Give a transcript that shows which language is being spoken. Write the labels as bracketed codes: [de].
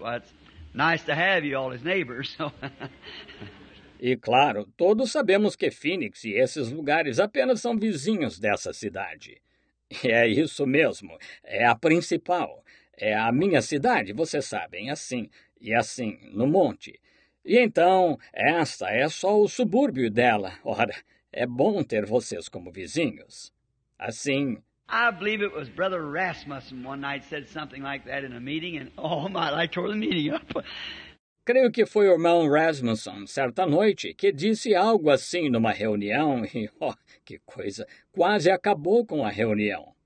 [en] Well, it's nice to have you all as neighbors. So. [pt] E claro, todos sabemos que Phoenix e esses lugares apenas são vizinhos dessa cidade. É isso mesmo. É a principal. É a minha cidade, vocês sabem, assim e assim, no monte. E então, esta é só o subúrbio dela. Ora, é bom ter vocês como vizinhos. Assim... [en] I believe it was Brother Rasmussen one night said something like that in a meeting, and oh my, I tore the meeting up. [pt] Creio que foi o irmão Rasmussen, certa noite, que disse algo assim numa reunião, e oh, que coisa, quase acabou com a reunião.